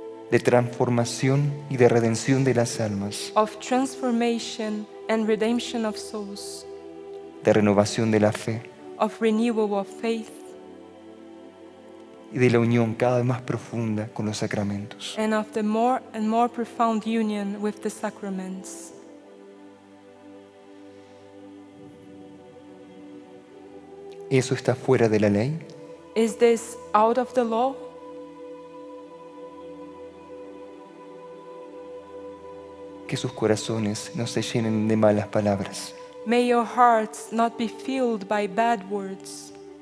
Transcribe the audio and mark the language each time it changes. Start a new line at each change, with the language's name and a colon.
Spanish: de transformación y de redención de las almas,
English: of transformation and redemption of souls,
Spanish: de renovación de la fe,
English: of renewal of faith,
Spanish: y de la unión cada vez más profunda con los sacramentos,
English: and of the more and more profound union with the sacraments.
Spanish: ¿Eso está fuera de la ley?
English: Is this out of the law?
Spanish: Que sus corazones no se llenen de malas palabras.
English: May your hearts not be filled by bad words.